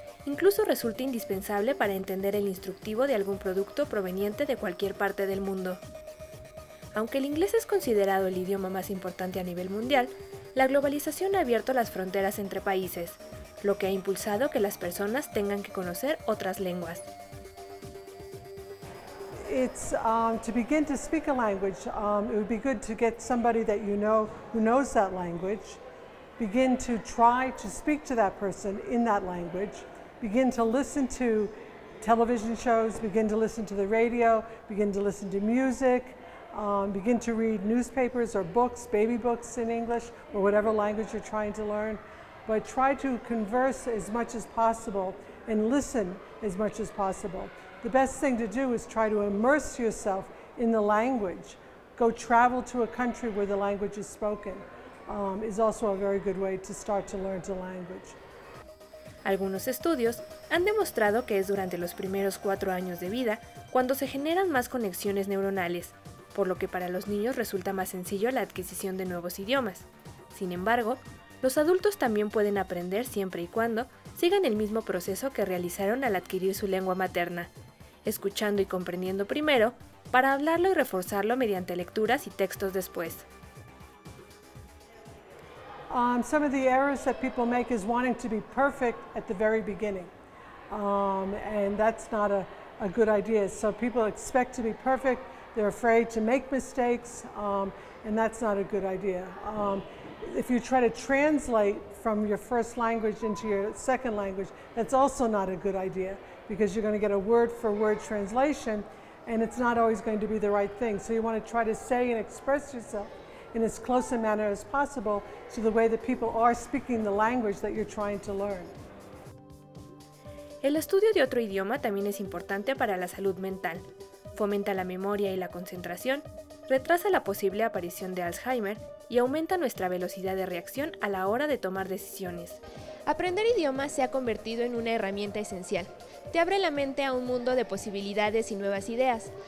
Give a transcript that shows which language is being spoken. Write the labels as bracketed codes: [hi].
[es] Incluso resulta indispensable para entender el instructivo de algún producto proveniente de cualquier parte del mundo. Aunque el inglés es considerado el idioma más importante a nivel mundial, la globalización ha abierto las fronteras entre países, lo que ha impulsado que las personas tengan que conocer otras lenguas. [en] It's to begin to speak a language, it would be good to get somebody that you know who knows that language, begin to try to speak to that person in that language, begin to listen to television shows, begin to listen to the radio, begin to listen to music, begin to read newspapers or books, baby books in English, or whatever language you're trying to learn. But try to converse as much as possible and listen as much as possible. The best thing to do is try to immerse yourself in the language. Go travel to a country where the language is spoken. Is also a very good way to start to learn the language. [es] Algunos estudios han demostrado que es durante los primeros 4 años de vida cuando se generan más conexiones neuronales, por lo que para los niños resulta más sencillo la adquisición de nuevos idiomas. Sin embargo, los adultos también pueden aprender siempre y cuando sigan el mismo proceso que realizaron al adquirir su lengua materna, escuchando y comprendiendo primero, para hablarlo y reforzarlo mediante lecturas y textos después. [en] Some of the errors that people make is wanting to be perfect at the very beginning. And that's not a good idea. So people expect to be perfect, they're afraid to make mistakes, and that's not a good idea. If you try to translate from your first language into your second language, that's also not a good idea because you're going to get a word-for-word translation and it's not always going to be the right thing. So you want to try to say and express yourself in as close a manner as possible to the way that people are speaking the language that you're trying to learn. [es] El estudio de otro idioma también es importante para la salud mental. Fomenta la memoria y la concentración, retrasa la posible aparición de Alzheimer y aumenta nuestra velocidad de reacción a la hora de tomar decisiones. Aprender idiomas se ha convertido en una herramienta esencial. Te abre la mente a un mundo de posibilidades y nuevas ideas.